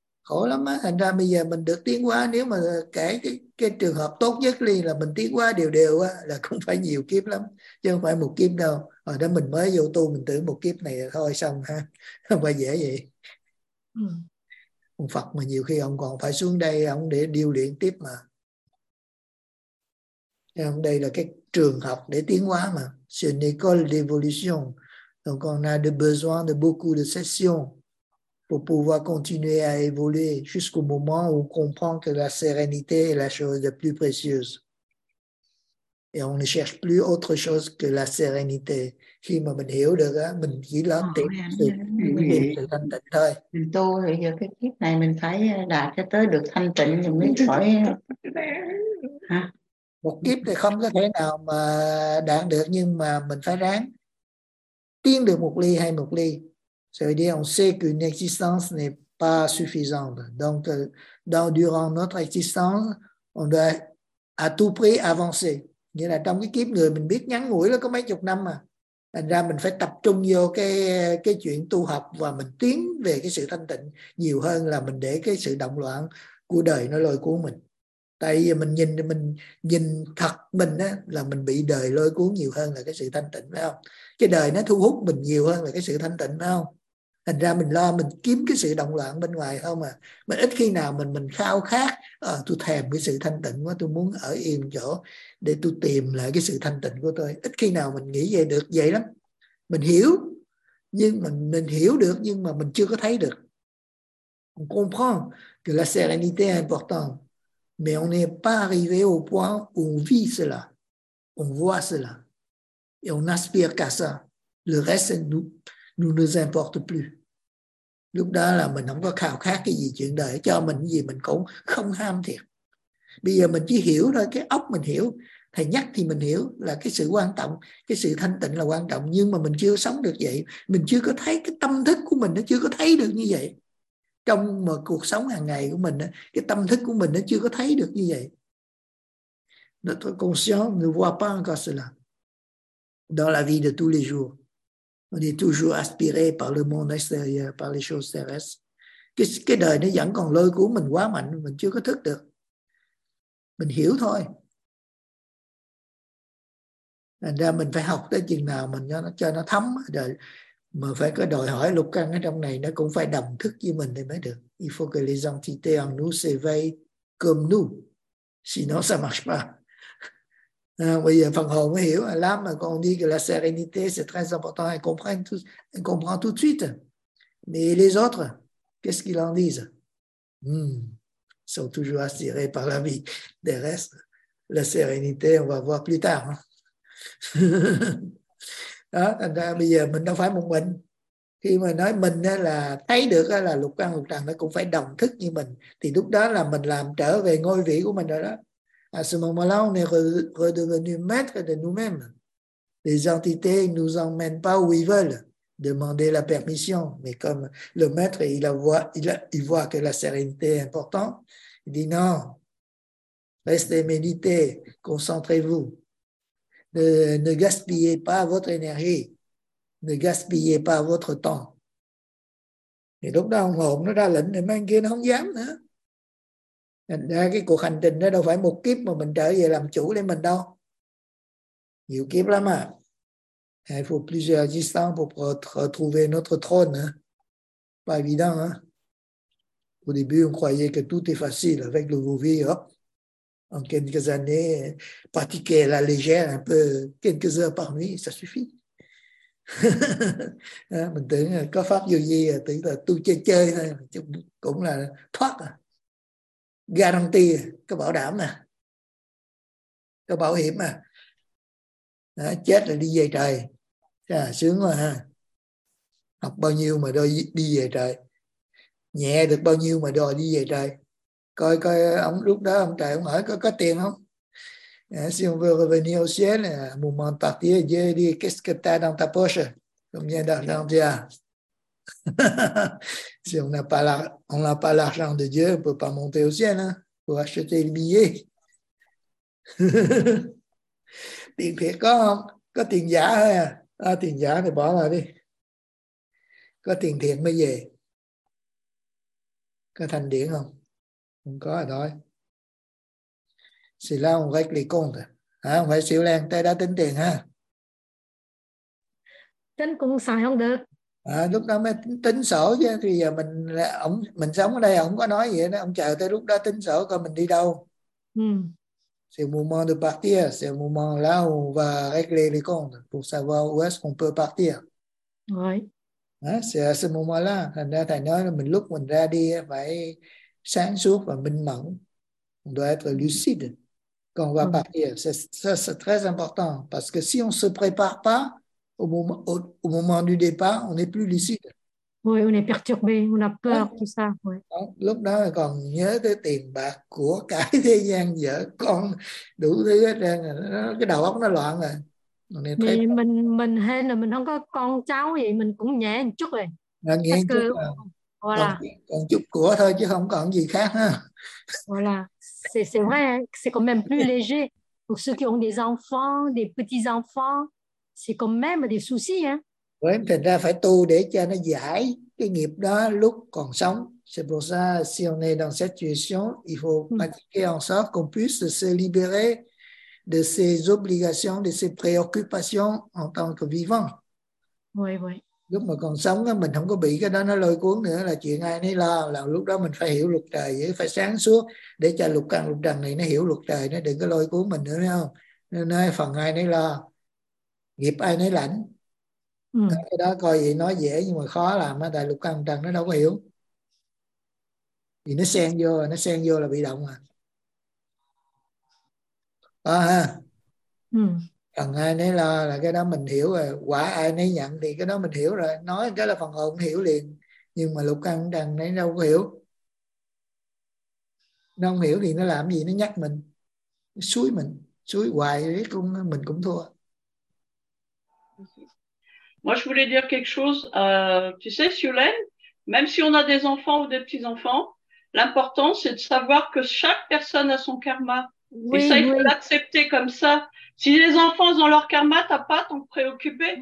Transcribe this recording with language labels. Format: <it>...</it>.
<vi>Khổ lắm á, thành ra bây giờ mình được tiến hóa, nếu mà kể cái trường hợp tốt nhất liền là mình tiến hóa đều đều á, là cũng phải nhiều kiếp lắm, chứ không phải một kiếp đâu. Hồi đó mình mới vô tu, mình tưởng một kiếp này thôi xong ha, không phải dễ vậy. Ông Phật mà nhiều khi ông còn phải xuống đây, ông để điêu luyện tiếp mà. Đây là cái trường học để tiến hóa mà.</vi> <fr>C'est une école d'évolution. Donc on a besoin de beaucoup de sessions pour pouvoir continuer à évoluer jusqu'au moment où on comprend que la sérénité est la chose la plus précieuse. Et on ne cherche plus autre chose que la sérénité.</fr> <vi>Khi mà mình hiểu được á, mình chỉ lo tìm sự thanh tịnh thôi. Mình tu thì giờ cái kiếp này mình phải đạt cho tới được thanh tịnh thì mới khỏi. Một kiếp thì không có thể nào mà đạt được, nhưng mà mình phải ráng tiến được một ly hay một ly.</vi> <fr>C'est dire on sait qu'une existence n'est pas suffisante. Donc dans durant notre existence, on doit à tout prix avancer.</fr> <vi>Nghĩa là trong cái kiếp người mình biết ngắn ngủi là có mấy chục năm mà. Thành ra mình phải tập trung vô cái chuyện tu học và mình tiến về cái sự thanh tịnh nhiều hơn là mình để cái sự động loạn của đời nó lôi cuốn mình. Tại vì mình nhìn thật mình á, là mình bị đời lôi cuốn nhiều hơn là cái sự thanh tịnh, phải không? Cái đời nó thu hút mình nhiều hơn là cái sự thanh tịnh, phải không? Thành ra mình lo mình kiếm cái sự động loạn bên ngoài không à. Mình ít khi nào mình khao khát, tôi thèm cái sự thanh tịnh quá, tôi muốn ở yên chỗ để tôi tìm lại cái sự thanh tịnh của tôi. Ít khi nào mình nghĩ về được vậy lắm. Mình hiểu, nhưng mình hiểu được nhưng mà mình chưa có thấy được.</vi> <fr>On comprend que la sérénité est importante. Mais on n'est pas arrivé au point où on vit cela, on voit cela, et on aspire qu'à ça. Le reste, nous nous importe plus.</fr> <vi>Lúc đó là mình không có khao khát cái gì chuyện đời, cho mình gì mình cũng không ham thiệt. Bây giờ mình chỉ hiểu thôi, cái óc mình hiểu, thầy nhắc thì mình hiểu là cái sự quan trọng, cái sự thanh tịnh là quan trọng, nhưng mà mình chưa sống được vậy, mình chưa có thấy cái tâm thức của mình, nó chưa có thấy được như vậy. Trong một cuộc sống hàng ngày của mình, cái tâm thức của mình nó chưa có thấy được như vậy.</vi> <fr>Notre conscience ne voit pas encore cela. Dans la vie de tous les jours, on est toujours aspiré par le monde extérieur, par les choses terrestres.</fr> <vi>Cái đời nó vẫn còn lôi cuốn mình quá mạnh, mình chưa có thức được. Mình hiểu thôi. Thành ra mình phải học tới chừng nào mình cho nó thấm rồi. Mà phải có đòi hỏi lục căn ở trong này nó cũng phải đồng thức với mình thì mới được.</vi> <fr>Il faut que les entités en nous s'éveillent comme nous. Sinon ça marche pas.</fr> <vi>Bây giờ phần hồn mới hiểu. Là mà</vi> <fr>quand on dit que la sérénité c'est très important, elle comprend tout de suite. Mais les autres, qu'est-ce qu'ils en disent? Ils sont toujours attirés par la vie. Des restes, la sérénité, on va voir plus tard.</fr> <vi>Đó, thành ra bây giờ mình đâu phải một mình. Khi mà nói mình là thấy được là lục căn lục trần nó cũng phải đồng thức như mình, thì lúc đó là mình làm trở về ngôi vị của mình rồi đó.</vi> <fr>À ce moment-là, on est redevenu maître de nous-mêmes. Les entités ne nous emmènent pas où ils veulent demander la permission. Mais comme le maître, il voit que la sérénité est importante, il dit non, restez méditer, concentrez-vous. Ne gaspillez pas votre énergie. Ne gaspillez pas votre temps. Et donc là, on ne</fr> <vi>ra lệnh,</vi> <fr>mais</fr> <vi>kia nó không dám nữa. Thành ra cái cuộc hành trình đó đâu phải một kiếp mà mình trở về làm chủ lấy mình đâu. Nhiều kiếp lắm à.</vi> <fr>Il faut plusieurs existences pour retrouver notre trône. Pas évident, hein. Au début, on croyait que tout est facile avec le Vouvi. En quelques années, pratiquer la légère un peu, quelques heures par nuit, ça suffit.</fr> <vi>Mình tưởng có pháp vô vi, tưởng là tu chơi chơi thôi, cũng là thoát. Guarantee, có bảo đảm nè. Có bảo hiểm à. Chết là đi về trời. À, sướng quá ha. Học bao nhiêu mà đòi đi về trời. Nhẹ được bao nhiêu mà đòi đi về trời. Coi coi ông lúc đó ông trời ông hỏi có tiền không?</vi> <fr>Si on veut revenir au ciel, au moment de partir, Dieu dit, qu'est-ce que tu as dans ta poche? Combien d'argent tu as? Si on n'a pas, pas l'argent de Dieu, on ne peut pas monter au ciel hein, pour acheter le billet.</fr> <vi>Tiền thiệt có không? Có tiền giả thôi à? À, tiền giả thì bỏ lại đi. Có tiền thiệt mới về. Có thành điển không? Không có rồi thôi. Xì là ông vách lì con rồi. À, ông phải xỉu len, tay đã tính tiền ha. Tính cũng xài không được. À, lúc đó mới tính sổ chứ. Thì giờ mình ông, mình sống ở đây, ông có nói gì đó. Ông chờ tới lúc đó tính sổ coi mình đi đâu.</vi> <fr>C'est le moment de partir, c'est le moment là où on va régler les comptes pour savoir où est-ce qu'on peut partir. Oui. Hein? C'est à ce moment-là.</fr> <vi>Thành ra thầy nói là mình lúc mình ra đi phải sáng suốt và minh mẫn.</vi> <fr>On doit être lucide quand on va partir. C'est très important parce que si on ne se prépare pas au moment du départ, on n'est plus lucide. Oui, on est perturbé, on a peur, tout ça. Ouais.</fr> <vi>Lúc đó còn nhớ tới tiền bạc của cái thế gian, vợ con đủ thứ hết trơn, cái đầu óc nó loạn rồi. Mình hên là mình không có con cháu vậy, mình cũng nhẹ một chút rồi. Nhẹ một chút rồi. Còn chút của thôi chứ không còn gì khác. Ha.</vi> <fr>Voilà, c'est vrai, c'est quand même plus léger. Pour ceux qui ont des enfants, des petits-enfants, c'est quand même des soucis, hein.</fr> <vi>Vậy thành ra phải tu để cho nó giải cái nghiệp đó lúc còn sống.</vi> <fr>C'est pour ça, si on est dans cette situation, il faut pratiquer en sorte qu'on puisse se libérer de ses obligations, de ses préoccupations en tant que vivant. Oui, oui.</fr> <vi>Lúc mà còn sống, mình không có bị cái đó nó lôi cuốn nữa, là chuyện ai nấy lo, là lúc đó mình phải hiểu luật trời, phải sáng suốt để cho lục căn lục trần này nó hiểu luật trời, nó đừng có lôi cuốn mình nữa, thấy không? Nên phần ai nấy lo, nghiệp ai nấy lãnh. Cái đó coi vậy nói dễ nhưng mà khó làm á, tại lục căn trần nó đâu có hiểu. Vì nó xen vô là bị động à. À ha. Phần ai nấy lo là cái đó mình hiểu rồi, quả ai nấy nhận thì cái đó mình hiểu rồi, nói cái là phần hồn hiểu liền, nhưng mà lục căn trần nó đâu có hiểu. Nó không hiểu thì nó làm gì, nó nhắc mình, nó xúi mình, xúi hoài thì mình cũng thua.</vi> <fr>Moi, je voulais dire quelque chose. Tu sais, Siolène, même si on a des enfants ou des petits-enfants, l'important, c'est de savoir que chaque personne a son karma. Oui, et ça, il faut l'accepter comme ça. Si les enfants ont leur karma, tu n'as pas à t'en préoccuper.</fr>